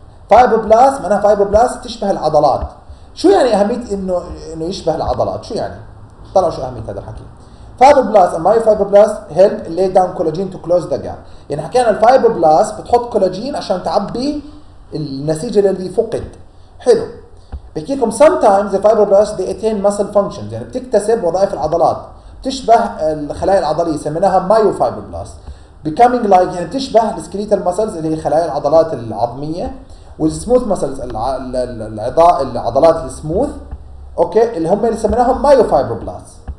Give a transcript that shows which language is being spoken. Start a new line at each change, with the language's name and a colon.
Arabic: فايبر بلاست معناها فايبر بلاست تشبه العضلات. شو يعني اهميه انه يشبه العضلات؟ شو يعني طلعوا شو اهميه هذا الحكي؟ فايبر بلاست مايو فايبر بلاست
English: Help lay down collagen to close the gap.
Arabic: يعني حكينا الفايبر بلاست بتحط كولاجين عشان تعبي النسيج الذي فقد. حلو بكيكم
English: sometimes the fibroblasts they attain muscle functions.
Arabic: يعني بتكتسب وظائف العضلات تشبه الخلايا العضلية سميناها myofibroblasts
English: becoming like
Arabic: يعني تشبه
English: the skeletal muscles
Arabic: اللي هي خلايا العضلات العظمية والsmooth muscles العضلات السموث اوكي اللي هم اللي سميناهم myofibroblasts.